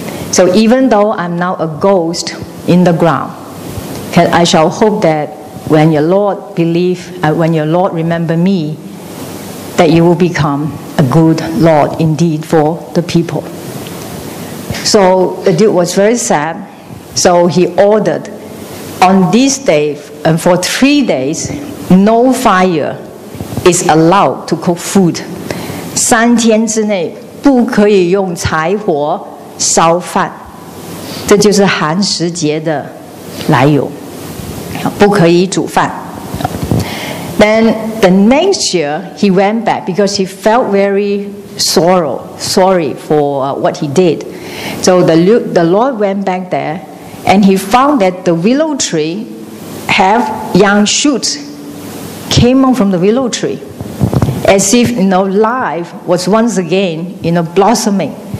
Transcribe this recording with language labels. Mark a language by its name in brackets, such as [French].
[English] So even though I'm now a ghost in the ground, I shall hope that when your Lord remember me, that you will become a good Lord indeed for the people. So the Duke was very sad. So he ordered on this day and for 3 days, no fire is allowed to cook food. [Chinese] 三天之内不可以用柴火 烧饭, 这就是寒食节的来由, 不可以煮饭. [English] Then the next year, he went back because he felt very sorry for what he did. So the Lord went back there, and he found that the willow tree have young shoots came out from the willow tree, as if, you know, life was once again, you know, blossoming.